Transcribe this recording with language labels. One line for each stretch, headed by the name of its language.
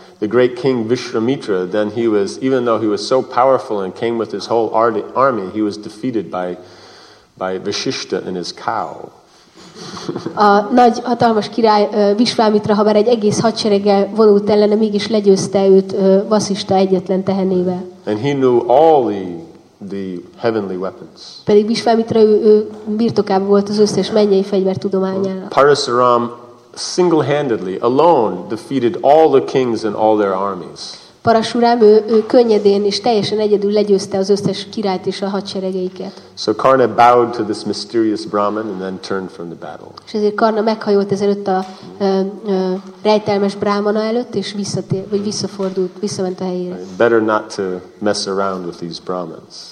English: The great king Vishvamitra, then he was, even though he was so powerful and came with his whole army, he was defeated by Vishishta and his cow.
Hungarian: A nagy hatalmas király Visvámitra, ha bár egy egész hadsereggel vonult ellene, mégis legyőzte őt Vaszista egyetlen tehenével.
English: And he knew all the heavenly weapons.
Hungarian: Pedig Visvámitra ő birtokában volt az összes mennyei fegyver tudományának.
English: Parasaram single-handedly alone defeated all the kings and all their armies.
Hungarian: Parasuram ő könnyedén és teljesen egyedül legyőzte az összes királyt és a hadseregeiket.
English: So Karna bowed to this mysterious Brahmin and then turned from the battle.
Hungarian: És ezért Karna meghajolt ezelőtt a rejtelmes Brahmana előtt és visszafordult, visszament a helyére.
English: Better not to mess around with these Brahmins.